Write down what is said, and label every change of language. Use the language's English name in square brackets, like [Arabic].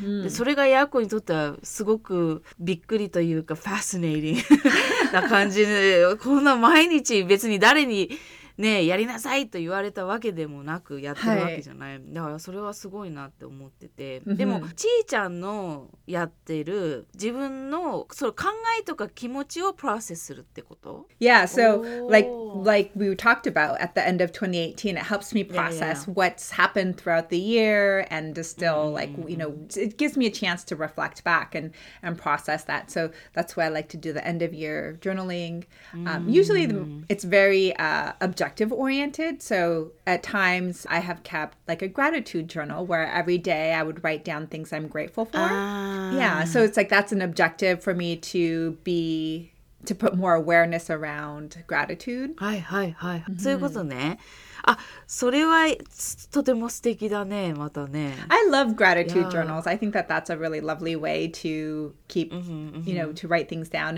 [Japanese] でそれがヤコにとってはすごくびっくりというかファスネイリングな感じで、こんな毎日別に誰にねやりなさいと言われたわけでもなくやってるわけじゃない、はい、だからそれはすごいなって思ってて、でもちーちゃんのやってる自分のその考えとか気持ちをプロセスするってこと？ [English] Yeah, so like we talked about at the end of 2018, it helps me process what's happened throughout the year and distill, like, you know, it gives me a chance to reflect back and process that. So that's why I like to do the end of year journaling. Usually it's very objective oriented. So at times I have kept like a gratitude journal where every day I would write down things I'm grateful for. Yeah, so it's like that's an objective for me to be... to put more awareness around gratitude. [Japanese] はいはいはい、そういうことね。あ、それはとても素敵だね、またね。 [English] I love gratitude journals. I think that that's a really lovely way to keep, you know, to write things down.